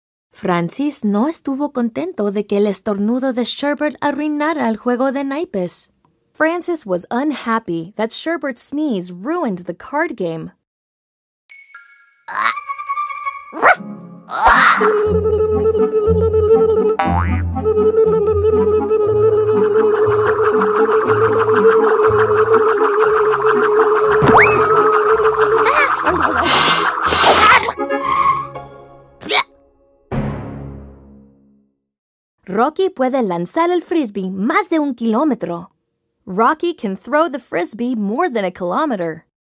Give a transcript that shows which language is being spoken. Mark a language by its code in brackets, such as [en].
[es] Francis no estuvo contento de que el estornudo de Sherbert arruinara el juego de naipes. [en] Francis was unhappy that Sherbert's sneeze ruined the card game. [es] Rocky puede lanzar el frisbee más de un kilómetro. [en] Rocky can throw the frisbee more than a kilometer.